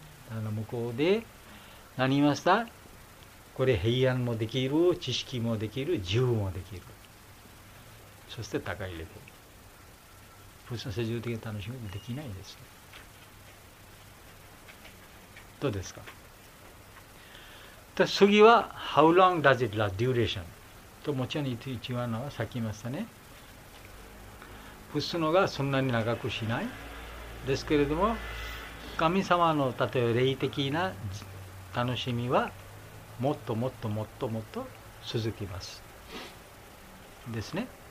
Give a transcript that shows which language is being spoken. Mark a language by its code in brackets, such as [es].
[ja] あの向こうで何言いました？これ平安もできる、知識もできる、自由もできる。そして高いレベル。普通の世俗的な楽しみできないです。どうですか？で次は [en] How long does it last? Duration。 [ja] ともちろん一番のはさっき言いましたね。普通のがそんなに長くしない。ですけれども神様の例えば霊的な楽しみはもっともっともっともっと続きますですね。